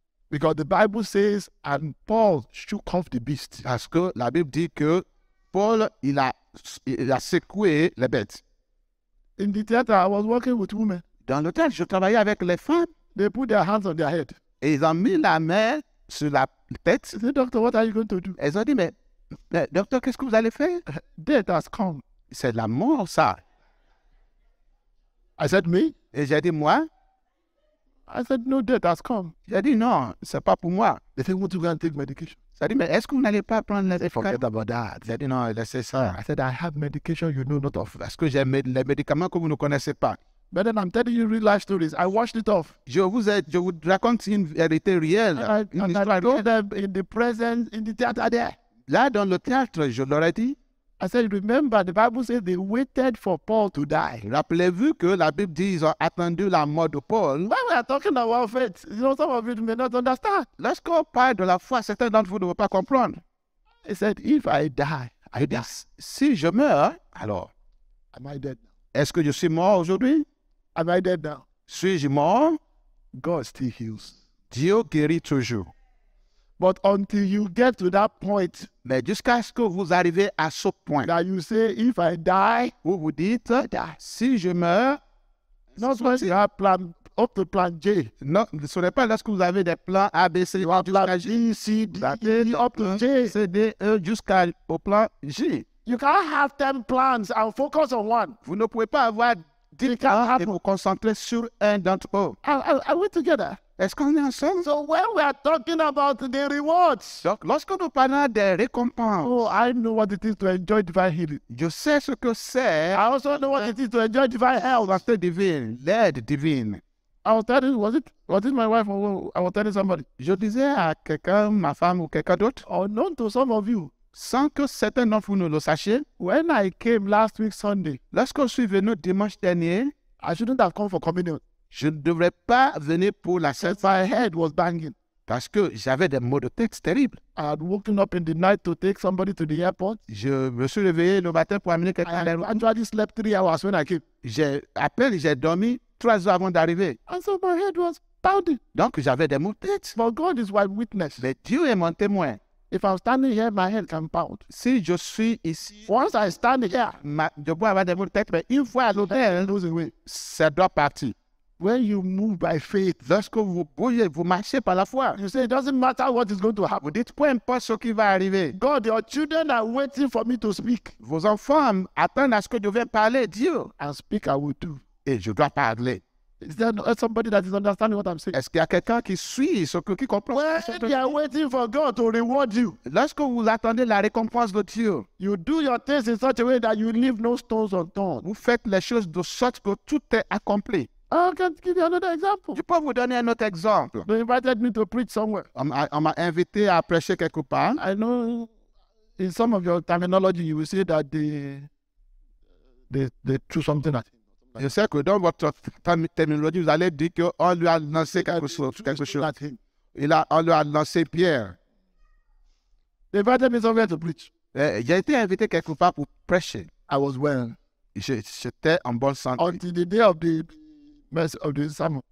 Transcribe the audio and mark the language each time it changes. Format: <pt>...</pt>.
<en>Because the Bible says, and Paul shook off the beast.</en> <fr>Parce que la Bible dit que Paul, il a secoué les bêtes.</fr> <en>In the theater, I was working with women.</en> <fr>Dans l'hôtel, je travaillais avec les femmes.</fr> <en>They put their hands on their head.</en> <fr>Et ils ont mis la main sur la tête.</fr> <en>Say, doctor, what are you going to do?</en> <fr>Elles ont dit, mais docteur, qu'est-ce que vous allez faire?</fr> <en>Death has come.</en> <fr>C'est la mort, ça.</fr> <en>I said, me?</en> <fr>Et j'ai dit, moi?</fr> <en>I said, no, death has come.</en> <fr>J'ai dit, non, c'est pas pour moi.</fr> <en>They said, want to go and take medication?</en> <fr>J'ai dit, mais est-ce que vous n'allez pas prendre les médicaments?</fr> <en>Forget about that.</en> <fr>J'ai dit, non, laissez ça.</fr> <en>I said, I have medication you know not of.</en> <fr>Est-ce que j'ai les médicaments que vous ne connaissez pas?</fr> <en>But then I'm telling you real life stories. I washed it off.</en> <fr>Je vous raconte une vérité réelle.</fr> <en>And I told them in the presence, in the theater there.</en> <fr>Là, dans le théâtre, je leur ai dit.</fr> <en>I said, remember, the Bible says they waited for Paul to die.</en> <fr>Rappelez-vous que la Bible dit ils ont attendu la mort de Paul.</fr> <en>When we are talking about faith, you know, some of you may not understand.</en> <fr>Lorsqu'on parle de la foi, certains d'entre vous ne vont pas comprendre.</fr> <en>He said, if I die, I die.</en> <fr>Si je meurs, alors,</fr> <en>am I dead?</en> <fr>Est-ce que je suis mort aujourd'hui?</fr> <en>Am I dead now?</en> <fr>Suis-je mort?</fr> <en>God still heals.</en> <fr>Dieu guérit toujours.</fr> <en>But until you get to that point,</en> <fr>mais jusqu'à ce que vous arrivez à ce point,</fr> <en>that you say, if I die,</en> <fr>vous dites,</fr> <en>I die.</en> <fr>Si je meurs,</fr> <en>Not when you have plan up to plan J.</en> <fr>Non, ce n'est pas lorsque vous avez des plans A, B, C, jusqu'à</fr> <en>G, C, D, E, up to J.</en> <fr>C, D, E, jusqu'à au plan G.</fr> <en>You can't have 10 plans and focus on one.</en> <fr>Vous ne pouvez pas avoir 10 plans et vous concentrer sur un d'entre eux.</fr> <en>Are we together?</en> <fr>Est-ce qu'on est ensemble?</fr> <en>So when we are talking about the rewards.</en> <fr>Donc, lorsque nous parlons des récompenses.</fr> <en>Oh, I know what it is to enjoy divine healing.</en> <fr>Je sais ce que c'est.</fr> <en>I also know what it is to enjoy divine health.</en> <fr>Master divine, l'aide divine.</fr> <en>I was telling, was it my wife or I was telling somebody?</en> <fr>Je disais à quelqu'un, ma femme ou quelqu'un d'autre.</fr> <en>Unknown to some of you.</en> <fr>Sans que certains d'entre vous ne le sachiez.</fr> <en>When I came last week Sunday.</en> <fr>Lorsque je suis venu dimanche dernier.</fr> <en>I shouldn't have come for communion.</en> <fr>Je ne devrais pas venir pour la sainte.</fr> <en>My head was banging.</en> <fr>Parce que j'avais des maux de tête terribles.</fr> <en>I had woken up in the night to take somebody to the airport.</en> <fr>Je me suis réveillé le matin pour amener quelqu'un à l'aéroport.</fr> <en>I actually slept 3 hours when I came.</en> <fr>J'ai dormi 3 heures avant d'arriver.</fr> <en>And so my head was pounding.</en> <fr>Donc j'avais des maux de tête.</fr> <en>But God is my witness.</en> <fr>Mais Dieu est mon témoin.</fr> <en>If I'm standing here, my head can pound.</en> <fr>Si je suis ici,</fr> <en>once I stand here,</en> <fr>je peux avoir des maux de tête, mais une fois à l'hôtel, ça doit partir.</fr> <en>When you move by faith,</en> <fr>lorsque vous bougez, vous marchez par la foi.</fr> <en>You say it doesn't matter what is going to happen.</en> <fr>Vous dites peu importe ce qui va arriver.</fr> <en>God, your children are waiting for me to speak.</en> <fr>Vos enfants attendent à ce que je vienne parler, Dieu.</fr> <en>And speak, I will do.</en> <fr>Et je dois parler.</fr> <en>Is there somebody that is understanding what I'm saying?</en> <fr>Est-ce qu'il y a quelqu'un qui suit ce que qui comprend?</fr> <en>When you are waiting for God to reward you,</en> <fr>lorsque vous attendez la récompense de Dieu,</fr> <en>you do your things in such a way that you leave no stones unturned.</en> <fr>Vous faites les choses de sorte que tout est accompli.</fr> <en>I can give you another example.</en> <fr>Je peux vous donner un autre exemple.</fr> <en>They invited me to preach somewhere.</en> <fr>On m'a invité à prêcher quelque part.</fr> <en>I know in some of your terminology you will say that they threw something at him.</en> <fr>Je sais que dans votre terminologie vous allez dire qu'on lui a lancé quelque chose.</fr> <en>At him.</en> <fr>On lui a lancé pierre.</fr> <en>They invited me somewhere to preach.</en> <fr>J'ai été invité quelque part pour prêcher.</fr> <en>I was well.</en> <fr>J'étais en bonne santé.</fr> <en>Until the day of the mess of the sermon.</en>